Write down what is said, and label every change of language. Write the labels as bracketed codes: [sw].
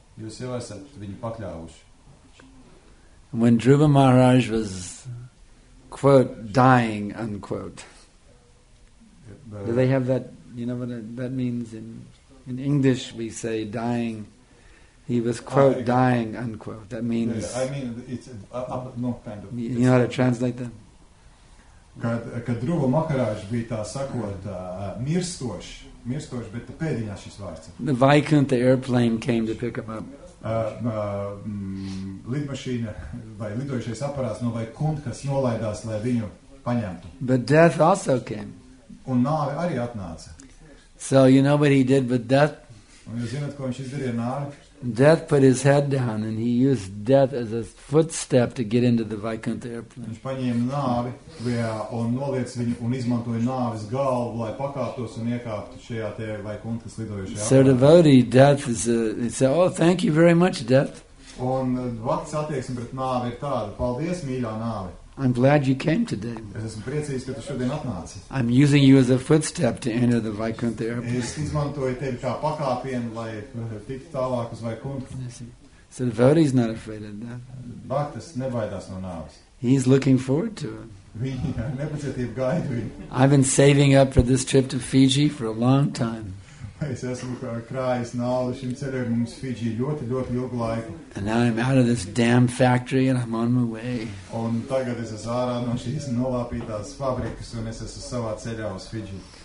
[lv] Jūs jau esat viņu pakļāvuši. [en] When Dhruva Maharaj was quote dying unquote. Do they have that, you know what that means in English we say dying. He was quote dying unquote. That means you know how to translate that? [lv] Kad Dhruva Maharaj bija tā sakot mirstoš, bet pēdējā šis vārds. [en] The Vaikuntha airplane came to pick him up. [lv] Lidmašīna vai lidojušais aparāts no Vaikuntha nolaidās, lai viņu paņemtu. [en] But death also came. [lv] Un nāve arī atnāca. [en] So you know what he did with death? [lv] Un jūs zināt, ko viņš izdarīja nāvi? [en] Death put his head down and he used death as a footstep to get into the Vaikuntha airplane. [lv] Viņš paņēma nāvi un noliec viņu un izmantoja nāves galvu, lai pakāptos un iekāptu šajā te Vaikuntha lidojušajā aparātā. [en] So devotee, death is a, he said, oh, thank you very much, death. [lv] Un vats attieksme pret nāvi ir tāda, paldies, mīļā nāve. [en] I'm glad you came today. [lv] Es esmu priecīgs, ka tu šodien atnāci. [en] I'm using you as a footstep to enter the Vaikuntha airplane. [lv] Es izmantoju tevi kā pakāpienu, lai tiktu tālāk uz Vaikuntha. [en] So the devotee is not afraid of death. [lv] Bhaktas nebaidās no nāves. [en] He's looking forward to it. [lv] Viņa ar nepacietību gaida viņu. [en] I've been saving up for this trip to Fiji for a long time. [lv] Es esmu krājis naudu šim ceremonijam uz Fiji ļoti, ļoti ilgu laiku. [en] And now I'm out of this damn factory and I'm on my way. [lv] Un tagad es esmu ārā no šīs nolāpītās fabrikas un es esmu savā ceļā uz Fiji.